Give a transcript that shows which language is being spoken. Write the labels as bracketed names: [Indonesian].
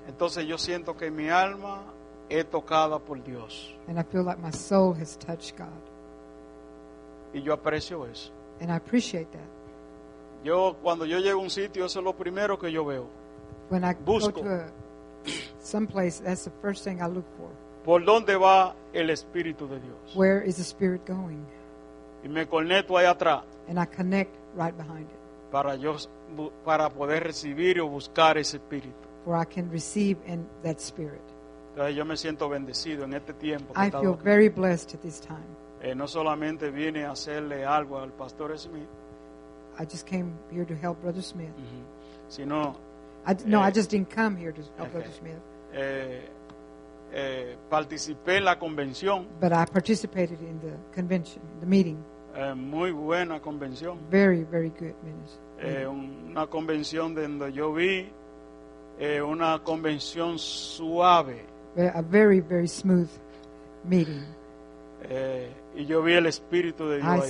[Spanish] Entonces yo siento que mi alma es tocada por Dios. [English] And I feel like my soul has touched God. [Spanish] Y yo aprecio eso. [English] And I appreciate that. [Spanish] Yo cuando yo llego a un sitio, eso es lo primero que yo veo. [English] When I [Spanish] busco. [English] Go to some place, that's the first thing I look for. [Spanish] ¿Por dónde va el Espíritu de Dios? [English] Where is the Spirit going? [Spanish] Y me conecto ahí atrás. [English] And I connect right behind it. [Spanish] Para poder recibir o buscar ese Espíritu. [English] For I can receive in that Spirit. [Spanish] Entonces yo me siento bendecido en este tiempo. [English] I feel very blessed at this time. [Spanish] No solamente vine a hacerle algo al Pastor Smith. [English] I just came here to help Brother Smith. [Spanish] Sino, [English] I just didn't come here to help Brother Smith. [Spanish] Participé en la convención. [English] But I participated in the convention, the meeting. [Spanish] Muy buena convención. [English] Very, very good meeting. [Spanish] Una convención donde yo vi una convención suave. [English] A very, very smooth meeting. [Spanish] Y yo vi el Espíritu de Dios ahí.